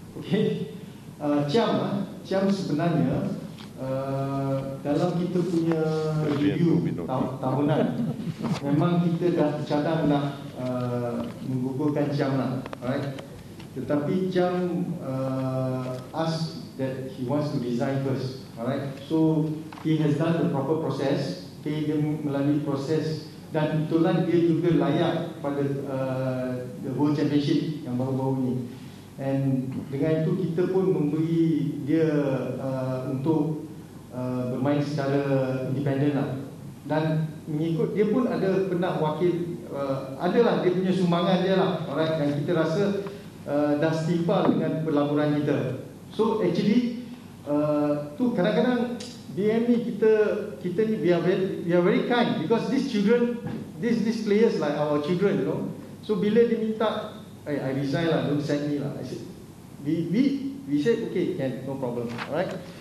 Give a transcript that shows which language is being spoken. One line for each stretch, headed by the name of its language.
Malay: Okay, Chiam sebenarnya dalam kita punya review tahunan, memang kita dah cadang nak menggugurkan Chiam lah, right? Tetapi
English: Chiam ask that he wants to resign first, alright? So he has done the proper process.
Malay: Okay, dia melalui proses dan itulah dia juga layak pada
English: the whole championship
Malay: yang baru-baru ni. And dengan itu kita pun memberi dia untuk bermain secara independen lah. Dan mengikut dia pun ada pernah wakil, adalah dia punya sumbangan dia lah. Alright, dan kita rasa dah setimpal dengan pelaburan kita.
English: So actually
Malay: tu kadang-kadang BM ni kita ni
English: we are very kind, because these children, these players like our children, you know. So
Malay: bila dia minta,
English: I resign lah, don't send me lah. I said, we said okay, can, no problem, alright.